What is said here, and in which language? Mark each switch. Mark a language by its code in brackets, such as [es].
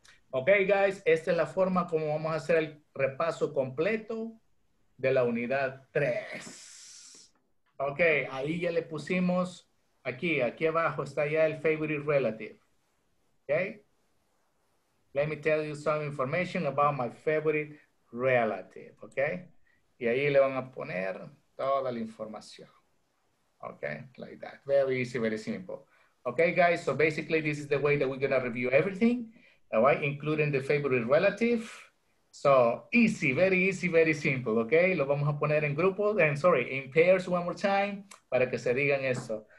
[en] Okay, guys, [es] esta es la forma como vamos a hacer el repaso completo de la unidad 3. Okay, ahí ya le pusimos, aquí abajo está ya el favorite relative. [en] Okay? Let me tell you some information about my favorite relative, okay? [es] Y ahí le van a poner toda la información. [en] Okay, like that. Very easy, very simple. Okay, guys, so basically this is the way that we're gonna review everything, all right, including the favorite relative. So easy, very easy, very simple, okay? [es] Lo vamos a poner en grupo, [en] and sorry, in pairs one more time, [es] para que se digan eso.